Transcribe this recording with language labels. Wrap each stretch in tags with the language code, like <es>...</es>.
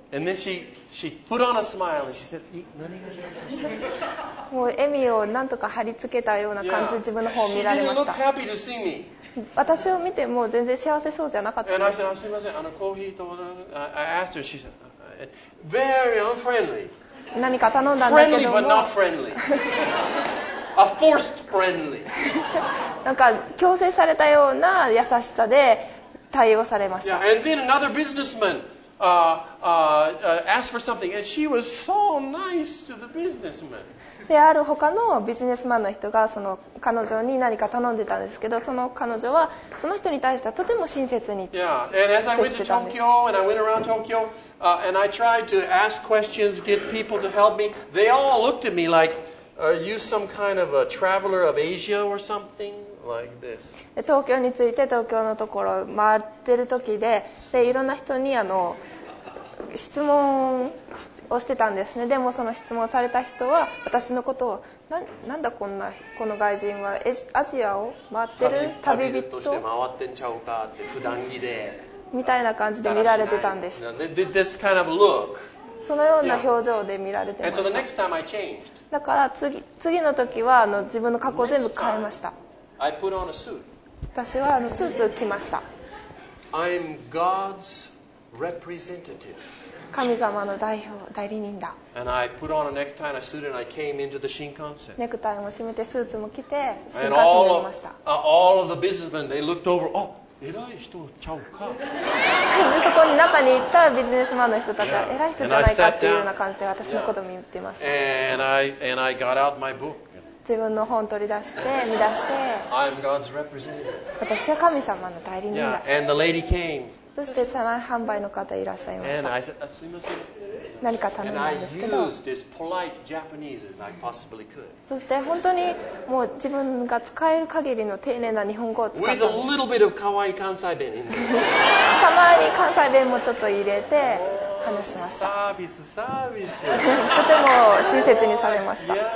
<en>and then she put on a smile and she said</en> <ja>何がもう笑みをなんとか貼り付けたような感じで自分の方を見られました。</ja> <en>Yeah, she didn't look happy to see me.</en> <ja>私を見ても全然幸せそうじゃなかったんです。</ja> <en>And I said,</en> <ja>すいません、あのコーヒーと、</ja> <en>I asked her, she said, very unfriendly.</en> <ja>何か頼んだんだけども</ja> <en>。 Friendly but not friendly. A forced friendly.</en> <ja>なんか強制されたような優しさで対応されました。</ja> <en>Yeah, and then another businessman. Asked for something, and she was so nice to the businessman.</en> <ja>である他のビジネスマンの人がその彼女に何か頼んでたんですけど、その彼女はその人に対してはとても親切に接してたんです。</ja> <en>Yeah, and as I went to Tokyo and I went around Tokyo, and I tried to ask questions, get people to help me, they all looked at me like, "Are you some kind of a traveler of Asia or something?" Like、this.</en> <ja>東京について東京のところ回ってる時 でいろんな人にあの質問をしてたんですね。でもその質問された人は私のことを なんだこんなこの外人はアジアを回ってる旅人旅として回ってんちゃうかって普段着でみたいな感じで見られてたんです。</ja> <en>This kind of look.</en> <ja>そのような表情で見られてました。</ja> <en>And so the next time I changed.</en> <ja>だから 次の時はあの自分の格好全部変えました。</ja> <en>I put on a suit.</en> <ja>私はあのスーツを着ました。</ja> <en>I'm God's representative.</en> <ja>神様の代表代理人だ。</ja> <en>And I put on a necktie and a suit and I came into the Shinkansen.</en> <ja>ネクタイも締めてスーツも着て新幹線に乗りました。</ja> <en>And all of the businessmen, they looked over.</en> <ja>Oh,偉い人ちゃうか。そこに中に行ったビジネスマンの人たちは偉い人じゃないかっていうような感じで私のことを見てました。</ja> <en>and I got out my book.</en> <ja>自分の本取り出して見出して</ja> <en>I'm God's representative.</en> <ja>私は神様の代理人だし、</ja> <en>yeah. and the lady came.</en> <ja>そしてその販売の方いらっしゃいました。</ja> <en>and I said,</en> <ja>すいません何か頼んだんですけど、</ja> <en>used as polite Japanese as I possibly could.</en> <ja>そして本当にもう自分が使える限りの丁寧な日本語を使った。</ja> <en>With a little bit of</en> <ja>可愛い関西弁</ja> <en>in there.</en> <ja>たまに関西弁もちょっと入れて話しました。サービスサービスとても親切にされました。</ja>